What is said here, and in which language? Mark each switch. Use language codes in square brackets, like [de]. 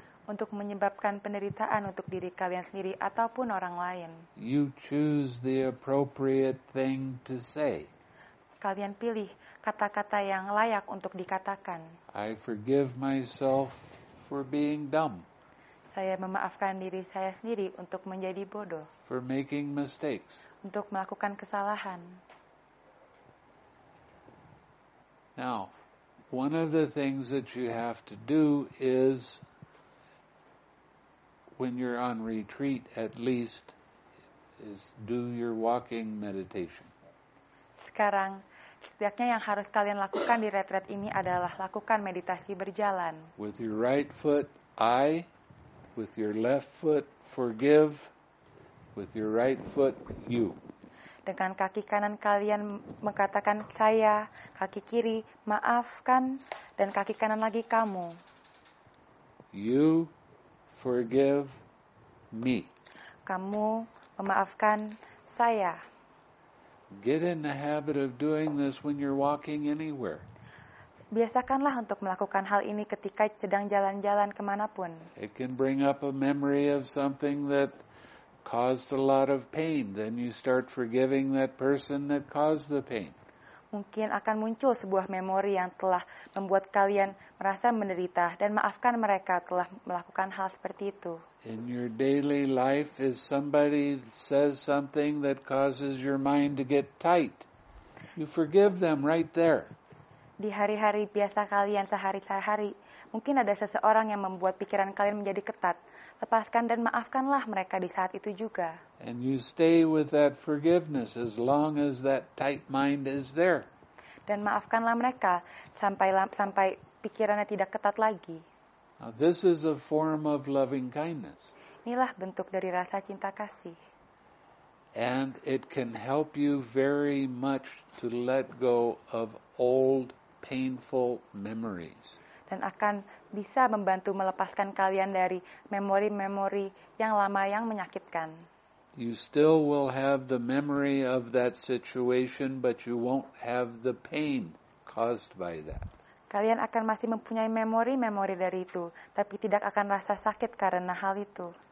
[id] Untuk menyebabkan penderitaan untuk diri kalian sendiri ataupun orang lain. [en] You choose the appropriate thing to say. [id] Kalian pilih kata-kata yang layak untuk dikatakan. [en] I forgive myself for being dumb. [id] Saya memaafkan diri saya sendiri untuk menjadi bodoh. [en] For making mistakes. [id] Untuk melakukan kesalahan. [en] Now, one of the things that you have to do is, when you're on retreat, at least, is do your walking meditation. [id] Sekarang, setidaknya yang harus kalian lakukan di retreat ini adalah lakukan meditasi berjalan. [en] With your right foot, I. With your left foot, forgive. With your right foot, you. [id] Dengan kaki kanan kalian mengatakan saya, kaki kiri maafkan, dan kaki kanan lagi kamu. [en] You. Forgive me. [id] Kamu memaafkan saya. [en] Get in the habit of doing this when you're walking anywhere. [id] Biasakanlah untuk melakukan hal ini ketika sedang jalan-jalan kemanapun. [en] It can bring up a memory of something that caused a lot of pain. Then you start forgiving that person that caused the pain. [id] Mungkin akan muncul sebuah memori yang telah membuat kalian merasa menderita dan maafkan mereka telah melakukan hal seperti itu. [en] In your daily life, if somebody says something that causes your mind to get tight, you forgive them right there. [id] di hari-hari biasa kalian sehari-hari, mungkin ada seseorang yang membuat pikiran kalian menjadi ketat. Lepaskan dan maafkanlah mereka di saat itu juga. [en] And you stay with that forgiveness as long as that tight mind is there. [id] Dan maafkanlah mereka sampai pikirannya tidak ketat lagi. [en] Now, this is a form of loving kindness. [id] Inilah bentuk dari rasa cinta kasih. [en] And it can help you very much to let go of old painful memories. [id] Dan akan bisa membantu melepaskan kalian dari memori-memori yang lama yang menyakitkan. [en] You still will have the memory of that situation, but you won't have the pain caused by that. [id] Kalian akan masih mempunyai memori-memori dari itu, tapi tidak akan rasa sakit karena hal itu.